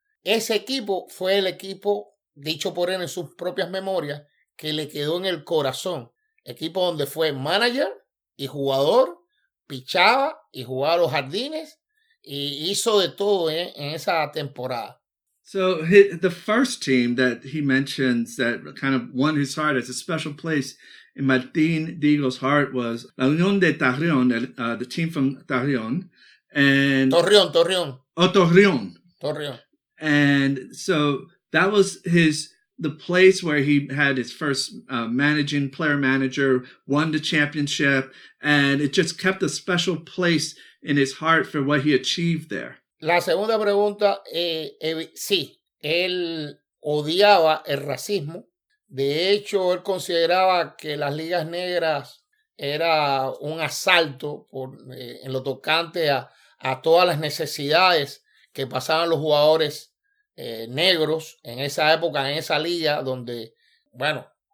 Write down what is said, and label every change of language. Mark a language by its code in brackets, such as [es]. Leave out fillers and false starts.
[es] Ese equipo fue el equipo, dicho por él en sus propias memorias, que le quedó en el corazón. Equipo donde fue manager y jugador, pichaba y jugaba los jardines y hizo de todo en esa temporada. [en] So the first team that he mentions that kind of won his heart as a special place in Martin Diego's heart was La Unión de Torreón, the team from Torreón. [es] Torreón. Torreón. [en] And so that was the place where he had his first player manager, won the championship, and it just kept a special place in his heart for what he achieved there. [es] La segunda pregunta, sí, él odiaba el racismo. De hecho, él consideraba que las ligas negras era un asalto en lo tocante a todas las necesidades que pasaban los jugadores negros en esa época, en esa liga, donde, bueno,